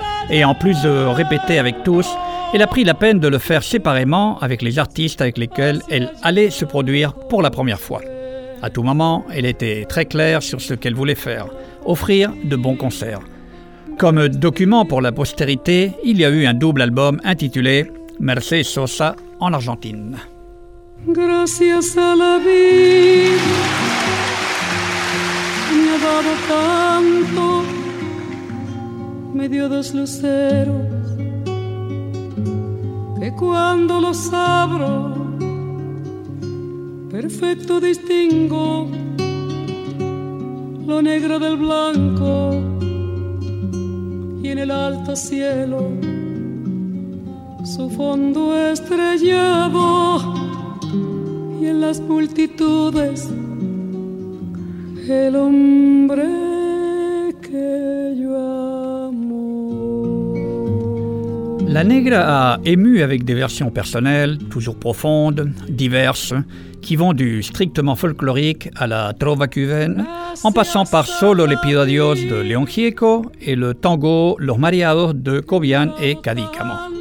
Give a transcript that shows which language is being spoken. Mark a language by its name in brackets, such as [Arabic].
[French] Et en plus de répéter avec tous, elle a pris la peine de le faire séparément avec les artistes avec lesquels elle allait se produire pour la première fois. À tout moment, elle était très claire sur ce qu'elle voulait faire, offrir de bons concerts. Comme document pour la postérité, il y a eu un double album intitulé « Mercedes Sosa en Argentine ». [Spanish] Gracias a la vida me ha dado tanto, me dio dos luceros que cuando los abro perfecto distingo lo negro del blanco y en el alto cielo su fondo estrellado y en las multitudes el hombre que yo amo. [French] La Negra a ému avec des versions personnelles, toujours profondes, diverses, qui vont du strictement folklorique à la trova cubaine, en passant par Solo le pido a Dios de León Gieco et le tango Los Mariados de Cobian et Cadícamo.